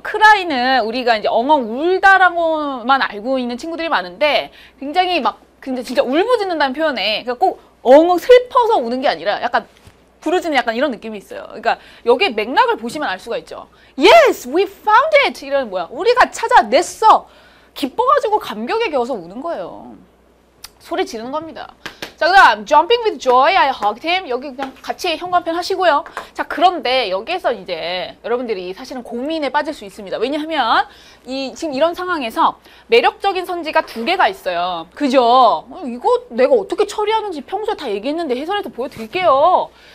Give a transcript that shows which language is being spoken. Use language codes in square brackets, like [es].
[ko] 크라이는 우리가 이제 엉엉 울다라고만 알고 있는 친구들이 많은데 굉장히 막 근데 진짜 울부짖는다는 표현에 그러니까 꼭 엉엉 슬퍼서 우는 게 아니라 약간 부르짖는 약간 이런 느낌이 있어요. 그러니까 여기 맥락을 보시면 알 수가 있죠. [en] Yes, we found it. [ko] 이런 뭐야? 우리가 찾아냈어. 기뻐가지고 감격에 겨워서 우는 거예요. 소리 지르는 겁니다. 자, 그다음 [en] jumping with joy, I hugged him. [ko] 여기 그냥 같이 현관편 하시고요. 자, 그런데 여기에서 이제 여러분들이 사실은 고민에 빠질 수 있습니다. 왜냐하면 이 지금 이런 상황에서 매력적인 선지가 두 개가 있어요. 그죠? 이거 내가 어떻게 처리하는지 평소에 다 얘기했는데 해설해서 보여드릴게요.